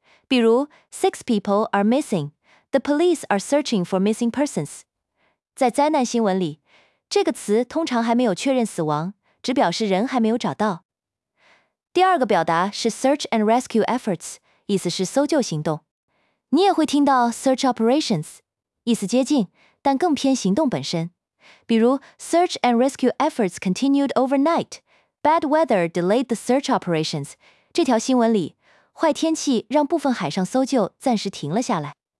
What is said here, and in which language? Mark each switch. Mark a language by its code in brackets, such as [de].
[en] 比如 six people are missing， the police are searching for missing persons。 [zh] 在灾难新闻里，这个词通常还没有确认死亡，只表示人还没有找到。第二个表达是 search and rescue efforts， 意思是搜救行动。你也会听到 search operations， 意思接近，但更偏行动本身。 [en] 比如 search and rescue efforts continued overnight, bad weather delayed the search operations。 [zh] 这条新闻里，坏天气让部分海上搜救暂时停了下来。